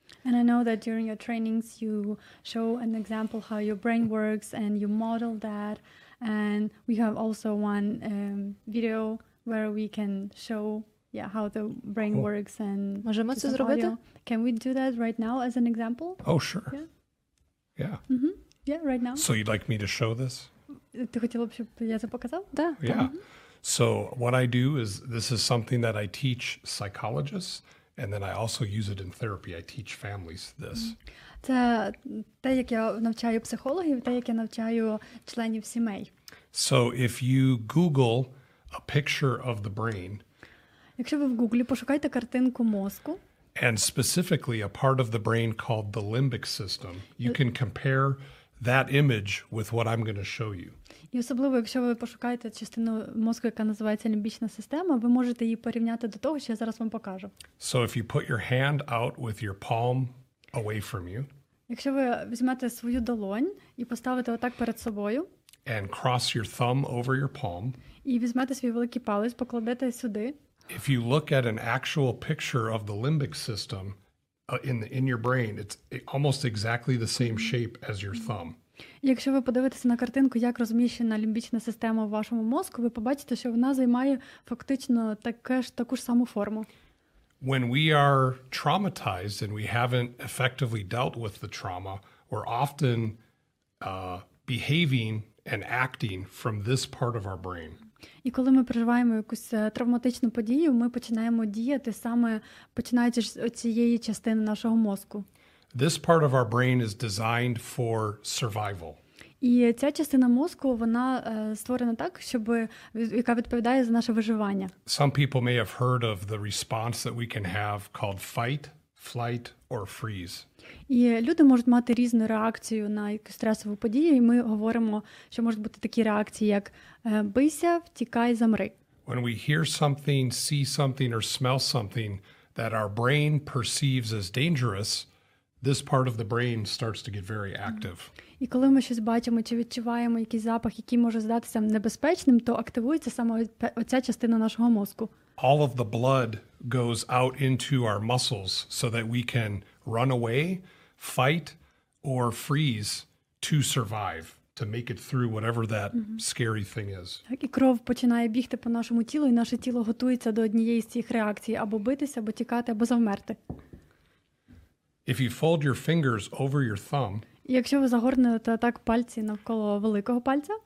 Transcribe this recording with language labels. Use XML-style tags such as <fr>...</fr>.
<en>And I know that during your trainings you show an example how your brain works and you model that. And we have also one video where we can show how the brain works and</en> <uk>можемо це зробити?</uk> <en>Can we do that right now as an example? Oh, sure. Yeah. Yeah. Mm-hmm. Yeah, right now. So you'd like me to show this?</en> <uk>Ти хотіла б, щоб я це показав? Да.</uk> <en>Yeah. Mm-hmm. So what I do is, this is something that I teach psychologists, and then I also use it in therapy. I teach families this.</en> <uk>Це те, як я навчаю психологів, те, як я навчаю членів сімей.</uk> <en>So if you Google a picture of the brain,</en> <uk>якщо ви в Гуглі пошукаєте картинку мозку,</uk> <en>and specifically a part of the brain called the limbic system, you can compare that image with what I'm going to show you.</en> <uk>І особливо, якщо ви пошукаєте частину мозку, яка називається лімбічна система, ви можете її порівняти до того, що я зараз вам покажу.</uk> <en>So if you put your hand out with your palm away from you,</en> <uk>якщо ви візьмете свою долонь і поставите отак перед собою,</uk> <en>and cross your thumb over your palm,</en> <uk>і візьмете свій великий палець, покладете сюди,</uk> <en>if you look at an actual picture of the limbic system in your brain, it's almost exactly the same shape as your thumb.</en> <uk>Якщо ви подивитеся на картинку, як розміщена лімбічна система в вашому мозку, ви побачите, що вона займає фактично таку ж саму форму.</uk> <en>When we are traumatized and we haven't effectively dealt with the trauma, we're often behaving and acting from this part of our brain.</en> <uk>І коли ми переживаємо якусь травматичну подію, ми починаємо діяти саме починаючи з цієї частини нашого мозку.</uk> <en>This part of our brain is designed for survival.</en> <uk>І ця частина мозку, вона створена так, щоб яка відповідає за наше виживання.</uk> <en>Some people may have heard of the response that we can have called fight, flight or freeze.</en> <uk>І люди можуть мати різну реакцію на якусь стресову подію, і ми говоримо, що можуть бути такі реакції, як бийся, втікай, замри.</uk> <en>When we hear something, see something or smell something that our brain perceives as dangerous, this part of the brain starts to get very active.</en> <uk>І коли ми щось бачимо чи відчуваємо якийсь запах, який може здатися небезпечним, то активується саме оця частина нашого мозку.</uk> <en>All of the blood goes out into our muscles so that we can run away, fight or freeze to survive, to make it through whatever that scary thing is.</en> <uk>Так, і кров починає бігти по нашому тілу, і наше тіло готується до однієї з цих реакцій: або битися, або тікати, або завмерти.</uk> <en>If you fold your fingers over your thumb,</en> <uk>якщо ви загорнете так пальці навколо великого пальця,</uk>